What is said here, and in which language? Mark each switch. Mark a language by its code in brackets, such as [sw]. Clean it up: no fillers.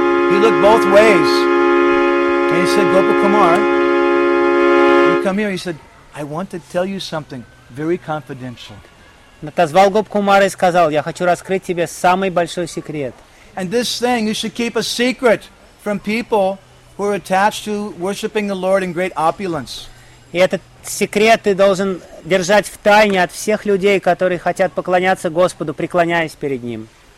[en] He looked both ways, and he said, Gopa Kumar, you come here. He said, I want to tell you something very confidential. [ru] Назвал Гоп Кумар и сказал, я хочу раскрыть тебе самый большой секрет. [en] And this thing you should keep a secret from people who are attached to worshiping the Lord in great opulence. [ru] И этот секрет ты должен держать в тайне от всех людей, которые хотят поклоняться Господу, преклоняясь перед Ним.